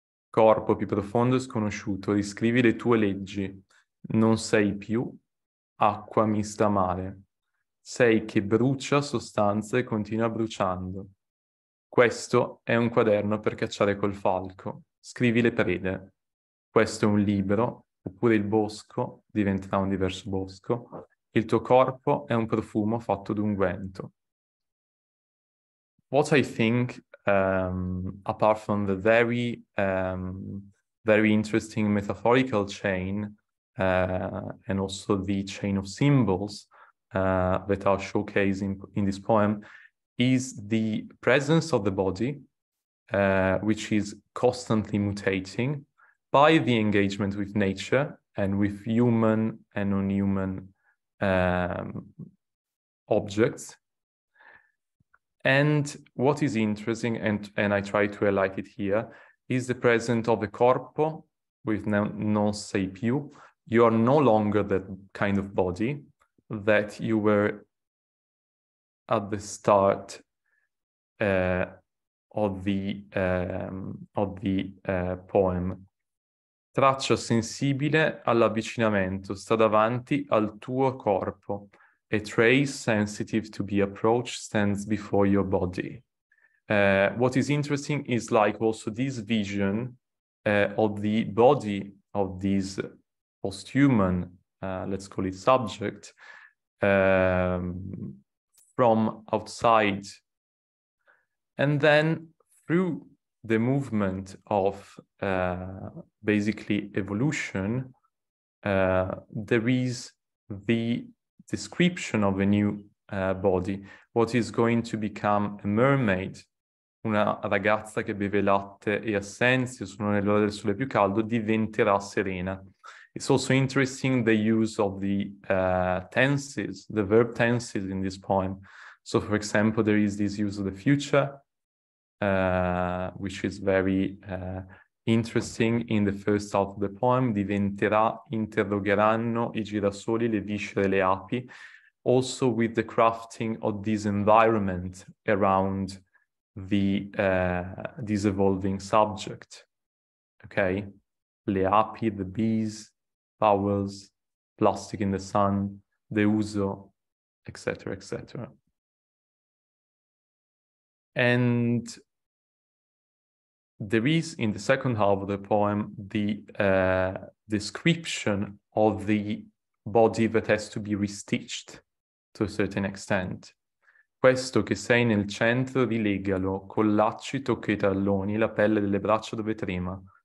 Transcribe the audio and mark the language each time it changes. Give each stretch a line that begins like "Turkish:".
Italian: Corpo più profondo e sconosciuto, riscrivi le tue leggi, non sei più acqua mista a mare, sei che brucia sostanza e continua bruciando. Questo è un quaderno per cacciare col falco. Scrivi le prede. Questo è un libro, oppure il bosco diventerà un diverso bosco. Il tuo corpo è un profumo fatto d'unguento.
English: What I think, apart from the very, very interesting metaphorical chain and also the chain of symbols that are showcased in this poem, is the presence of the body, which is constantly mutating by the engagement with nature and with human and non-human objects. And what is interesting, and I try to highlight it here, is the presence of a corpo with
Italian: non sei più.
English: You are no longer the kind of body that you were at the start of the poem.
Italian: Traccia sensibile all'avvicinamento, sta davanti al tuo corpo.
English: A trace sensitive to be approached stands before your body. What is interesting is like also this vision of the body of this posthuman, let's call it subject, from outside. And then through the movement of basically evolution, there is the description of a new body, what is going to become a mermaid,
Italian: una ragazza che beve latte e assenzio, sono nell'ora del sole più caldo, diventerà serena.
English: It's also interesting the use of the tenses, the verb tenses in this poem. So, for example, there is this use of the future, which is very interesting in the first half of the poem.
Italian: Diventerà, interrogheranno i girasoli, le viscere, le api.
English: Also with the crafting of this environment around the this evolving subject. Okay,
Italian: le api,
English: the bees, vowels, plastic in the sun, the uso, etc., etc. And there is, in the second half of the poem, the description of the body that has to be restitched to a certain extent.
Italian: Questo che sei nel centro rilegalo, col lacito che i talloni, la pelle delle braccia dove trema.